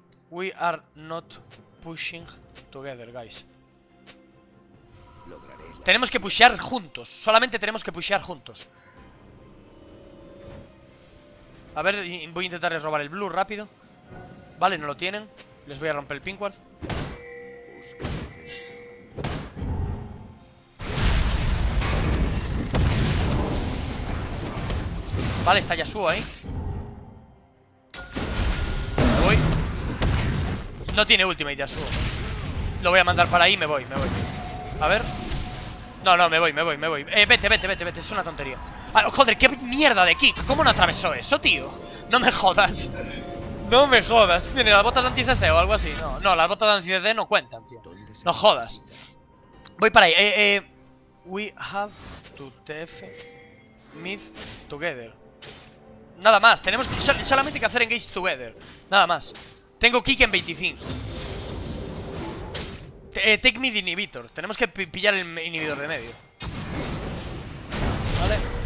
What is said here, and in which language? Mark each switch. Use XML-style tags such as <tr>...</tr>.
<en>We are not pushing together, guys.</en> <es>Tenemos que pushear juntos. Solamente tenemos que pushear juntos. A ver, voy a intentarles robar el blue rápido. Vale, no lo tienen. Les voy a romper el pink ward. Vale, está Yasuo ahí. Me voy. No tiene ultimate Yasuo. Lo voy a mandar para ahí, me voy, me voy. A ver. No, no, me voy, me voy, me voy. Vete, vete, vete, vete, es una tontería. Ah, joder, qué mierda de kick. ¿Cómo no atravesó eso, tío? No me jodas. No me jodas. Tiene las botas de anti-CC o algo así. No, no, las botas de anti-CC no cuentan, tío. No jodas. Voy para ahí.</es> <en>We have to TF mid together.</en> <es>Nada más, tenemos que solamente que hacer</es> <en>engage together.</en> <es>Nada más. Tengo kick en 25.</es> <en>Take mid inhibitor.</en> <es>Tenemos que pillar el inhibidor de medio. Vale.</es>